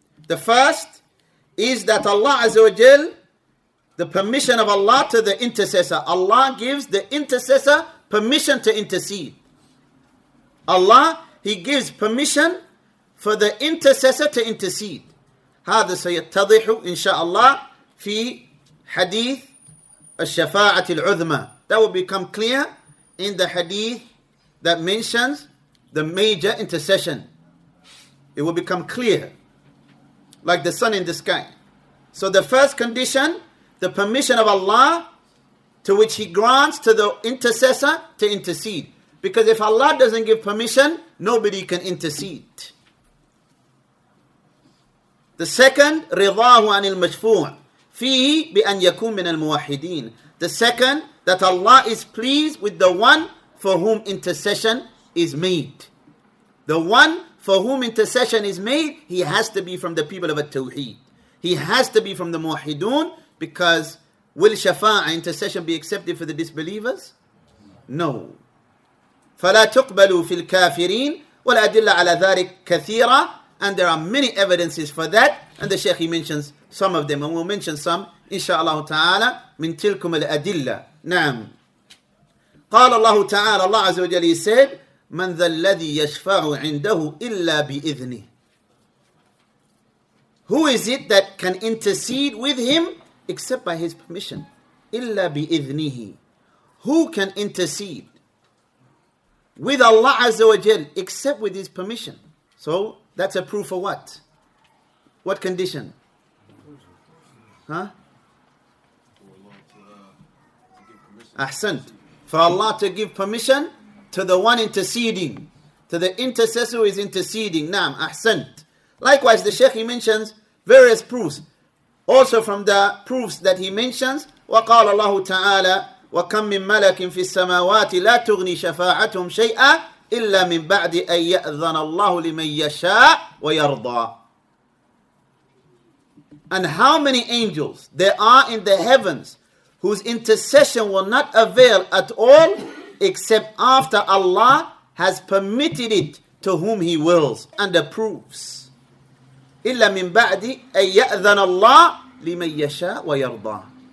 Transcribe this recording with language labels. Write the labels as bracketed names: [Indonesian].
[English] The first is that Allah Azza wa Jal, the permission of Allah to the intercessor. Allah gives the intercessor permission to intercede. Allah, He gives permission for the intercessor to intercede. [Arabic] هذا سيتضح إن شاء الله في حديث الشفاعة العظمى. [English] That will become clear in the hadith that mentions the major intercession. It will become clear, like the sun in the sky. So the first condition, the permission of Allah, to which He grants to the intercessor to intercede. Because if Allah doesn't give permission, nobody can intercede. The second, [Arabic] رِضَاهُ عَنِ الْمَشْفُوعِ فِيهِ بِأَنْ يَكُونَ مِنَ الْمُوَحِدِينَ. [English] The second, that Allah is pleased with the one for whom intercession is made. The one for whom intercession is made, he has to be from the people of At-Tawheed. He has to be from the Muwahidun, because will shafa'a, intercession, be accepted for the disbelievers? No. [Arabic] فَلَا تُقْبَلُوا فِي الْكَافِرِينَ وَالْأَدِلَّ عَلَى ذَلِكَ كَثِيرًا. [English] And there are many evidences for that. And the Shaykh, he mentions some of them. And we'll mention some, inshaAllah ta'ala, [Arabic] مِنْ تِلْكُمَ الْأَدِلَّ. نعم. قال الله تعالى, [English] Allah Azza wa Jalla said, [Arabic] مَنْ ذَا الَّذِي يَشْفَعُ عِنْدَهُ إِلَّا بِإِذْنِهِ. [English] Who is it that can intercede with him except by his permission? [Arabic] إِلَّا بِإِذْنِهِ. [English] Who can intercede with Allah Azza wa Jal except with his permission? So that's a proof of what? What condition? Ahsant. For Allah to give permission to the one interceding, to the intercessor who is interceding. Naam, ahsant. Likewise, the Shaykh, he mentions various proofs. Also from the proofs that he mentions, [Arabic] وقال الله تعالى وَكَمْ مِنْ مَلَكٍ فِي السَّمَاوَاتِ لَا تُغْنِي شَفَاعَتُهُمْ شَيْئًا إِلَّا مِنْ بَعْدِ أَنْ يَأْذَنَ اللَّهُ لِمَنْ يَشَاءُ وَيَرْضَى. [English] And how many angels there are in the heavens whose intercession will not avail at all except after Allah has permitted it to whom He wills and approves. [Arabic] إِلَّا مِنْ بَعْدِ أَنْ يَأْذَنَ اللَّهُ لِمَنْ يَشَاءُ وَيَرْضَى.